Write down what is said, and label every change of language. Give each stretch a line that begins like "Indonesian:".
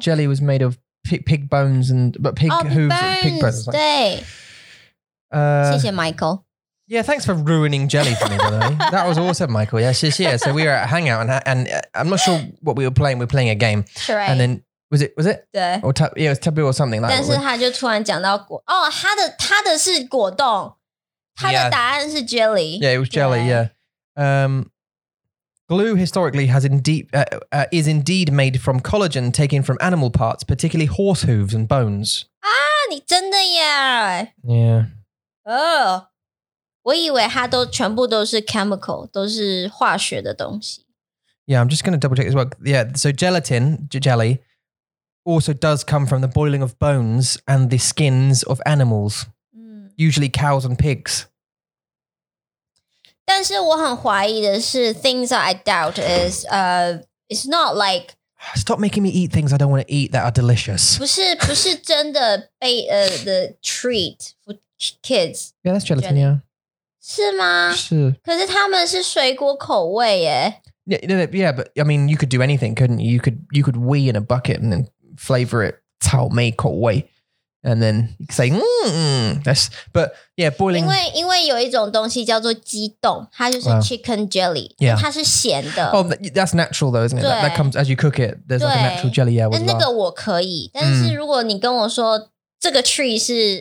English: Jelly was made of pig bones and but pig hooves bones, pig bones.
Chinese: Like, 对.谢谢 Michael.
English: Yeah, thanks for ruining jelly for me, by the way. That was awesome, Michael. Yes, yeah, yeah. So we were at a hangout and I'm not sure what we were playing. We were playing a game. Right. And then was it?
Chinese: 对.
English: Or it was taboo or something like that.
Chinese: 但是他就突然讲到果, oh, 他的是果冻. 他的答案是 jelly.
English: Yeah, it was jelly, yeah. Glue historically is indeed made from collagen taken from animal parts, particularly horse hooves and bones.
Chinese: Ah, 你真的耶?
English: Yeah.
Chinese: Oh. 我以为它都全部都是 chemical, 都是化学的东西.
English: Yeah, I'm just going to double check as well. Yeah, so gelatin, jelly, also does come from the boiling of bones and the skins of animals, usually cows and pigs.
Chinese: 但是我很怀疑的是,
English: things that I doubt is, it's not like... Stop making me eat things I don't want to eat that are delicious.
Chinese: 不是真的,
English: the treat for kids. Yeah, that's gelatin, yeah.
Chinese: 是吗? 是。可是他们是水果口味耶。
English: Yeah, but I mean, you could do anything, couldn't you? You could wee in a bucket and then flavor it
Chinese: 草莓口味,
English: and then you could say, that's, but yeah, boiling.
Chinese: 因为有一种东西叫做鸡冻, 它就是 chicken jelly, 它是咸的。
English: Oh, that's natural though, isn't it?
Chinese: 对。
English: That comes as you cook it, there's like a natural jelly, yeah, with
Chinese: 那个我可以, 但是如果你跟我说, 这个tree是